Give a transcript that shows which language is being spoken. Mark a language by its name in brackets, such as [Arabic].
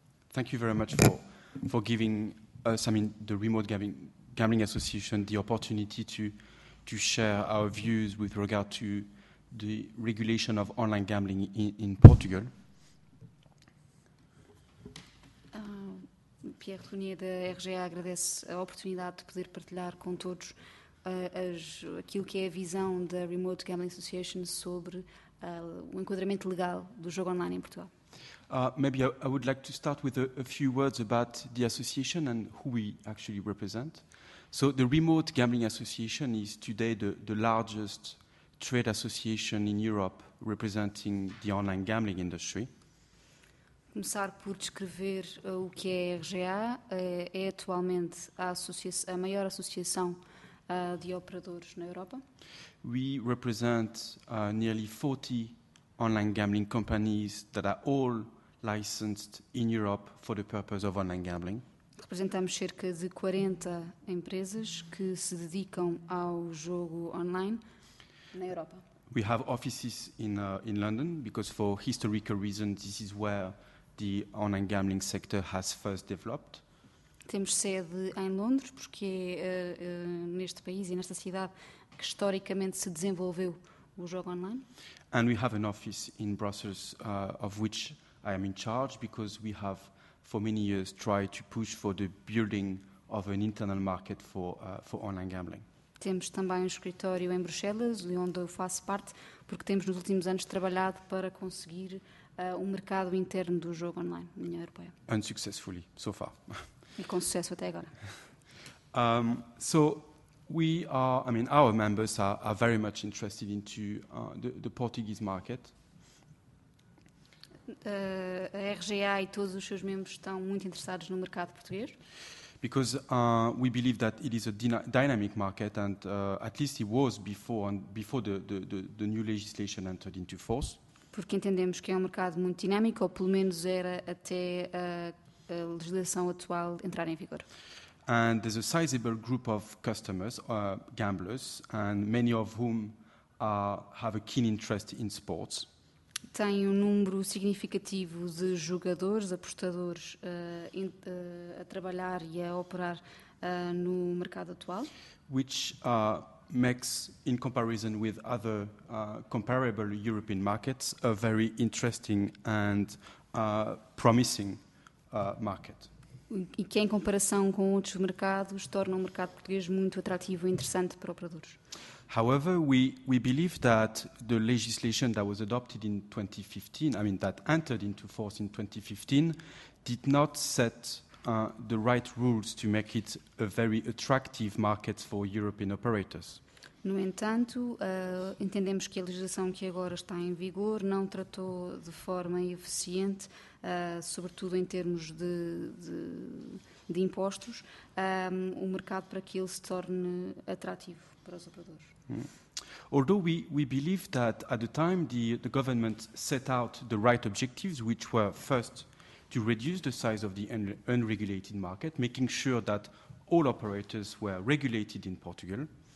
[English] Thank you very much for giving us, I mean, the Remote Gambling Association, the opportunity to share our views with regard to the regulation of online gambling in Portugal. [Portuguese] Pierre Tounier, da RGA, agradece a oportunidade de poder partilhar com todos aquilo que é a visão da Remote Gambling Association sobre o enquadramento legal do jogo online em Portugal. [English] Maybe I would like to start with a few words about the association and who we actually represent. So the Remote Gambling Association is today the largest trade association in Europe representing the online gambling industry. [Portuguese] Começar por descrever o que é a RGA. É atualmente a maior associação de operadores na Europa. [English] We represent nearly 40 online gambling companies that are all licensed in Europe for the purpose of online gambling. [Portuguese] Representamos cerca de 40 empresas que se dedicam ao jogo online na Europa. [English] We have offices in London because for historical reasons this is where the online gambling sector has first developed. [Portuguese] Temos sede em Londres porque é neste país e nesta cidade que historicamente se desenvolveu o jogo online. [English] And we have an office in Brussels of which I am in charge because we have for many years tried to push for the building of an internal market for online gambling. [Portuguese] Temos também um escritório em Bruxelas, de onde eu faço parte, porque temos nos últimos anos trabalhado para conseguir um mercado interno do jogo online na União Europeia. [English] Unsuccessfully, so far. [Portuguese] E com sucesso até agora. [English] So, we are, I mean, our members are very much interested into the Portuguese market. [Portuguese] A RGA e todos os seus membros estão muito interessados no mercado português. [English] Because we believe that it is a dynamic market, and at least it was before the new legislation entered into force. [Portuguese] Porque entendemos que é mercado muito dinâmico, ou pelo menos era até a legislação atual entrar em vigor. [English] And there's a sizable group of customers, gamblers, and many of whom have a keen interest in sports. [Portuguese] Tem número significativo de jogadores, apostadores, a trabalhar e a operar no mercado atual. [English] Which makes, in comparison with other comparable European markets, a very interesting and promising market. [Portuguese] E que, em comparação com outros mercados, torna o mercado português muito atrativo e interessante para operadores. [English] However, we believe that the legislation that was adopted in 2015, I mean, that entered into force in 2015, did not set the right rules to make it a very attractive market for European operators. [Portuguese] No entanto, entendemos que a legislação que agora está em vigor não tratou de forma eficiente, sobretudo em termos de impostos, o mercado para que ele se torne atrativo para os operadores. [English] Although we believe that at the time the government set out the right objectives, which were first to reduce the size of the unregulated market, making sure that all operators were regulated in Portugal.